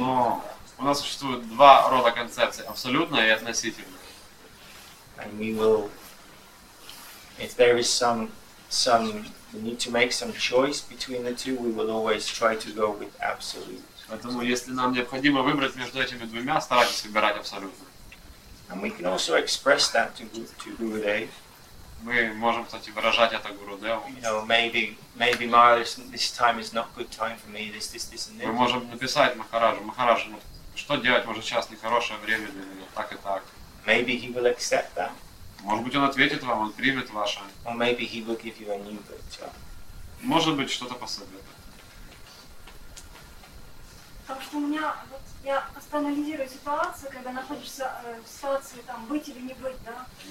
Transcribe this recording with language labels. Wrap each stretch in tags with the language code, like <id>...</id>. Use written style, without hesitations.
<ru>Но у нас существует два рода концепций: абсолютная и относительная.</ru> <en>And we will, if there is some we need to make some choice between the two, we will always try to go with absolute.</en> <ru>Поэтому, если нам необходимо выбрать между этими двумя, старайтесь выбирать абсолютно.</ru> <en>And we can also express that to Guru Dev.</en> <ru>Мы можем, кстати, выражать это Гуру Деву.</ru> <en>You know, maybe Maharaj, this time is not good time for me. This and this.</en> <ru>Мы можем написать Махараджу: "Махарадж, ну, что делать? Может, сейчас нехорошее время для меня, так и так."</ru> <en>Maybe he will accept that.</en> <ru>Может быть, он ответит вам, он примет ваше.</ru> <en>Or maybe he will give you a new good job.</en> <ru>Может быть, что-то посоветует. Потому что у меня, вот я просто анализирую ситуацию, когда находишься в ситуации там быть или не быть, да?</ru>